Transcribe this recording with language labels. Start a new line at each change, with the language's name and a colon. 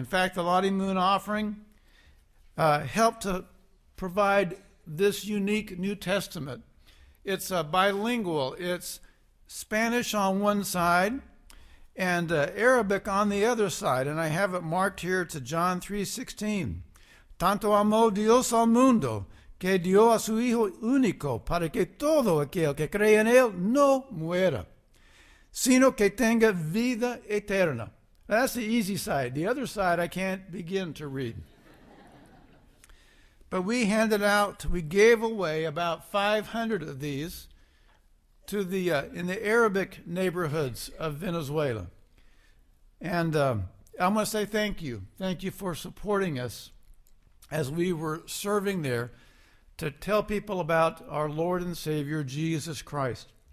English: In fact, the Lottie Moon offering helped to provide this unique New Testament. It's bilingual. It's Spanish on one side and Arabic on the other side. And I have it marked here to John 3:16.
Spanish: Tanto amó Dios al mundo que dio a su hijo único para que todo aquel que cree en él no muera, sino que tenga vida eterna.
English: That's the easy side. The other side I can't begin to read. But we handed out, we gave away about 500 of these to the in the Arabic neighborhoods of Venezuela. And I want to say thank you. Thank you for supporting us as we were serving there to tell people about our Lord and Savior, Jesus Christ.